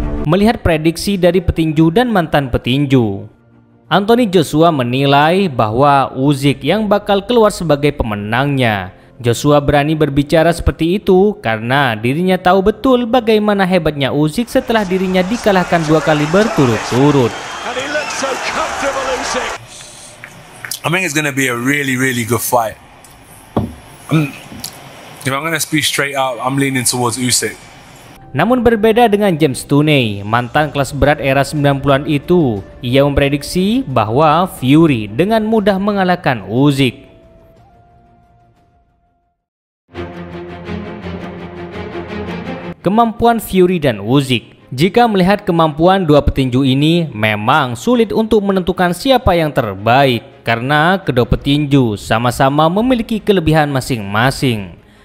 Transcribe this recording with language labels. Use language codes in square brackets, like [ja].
[id] Melihat prediksi dari petinju dan mantan petinju, Anthony Joshua menilai bahwa Usyk yang bakal keluar sebagai pemenangnya. Joshua berani berbicara seperti itu karena dirinya tahu betul bagaimana hebatnya Usyk setelah dirinya dikalahkan dua kali berturut-turut. [en] I think it's gonna be a really, really good fight. If I'm gonna speak straight up, I'm leaning towards Usyk. [id] Namun berbeda dengan James Tooney, mantan kelas berat era 90-an itu, ia memprediksi bahwa Fury dengan mudah mengalahkan Usyk. Kemampuan Fury dan Usyk. Jika melihat kemampuan dua petinju ini, memang sulit untuk menentukan siapa yang terbaik karena kedua petinju sama-sama memiliki kelebihan masing-masing.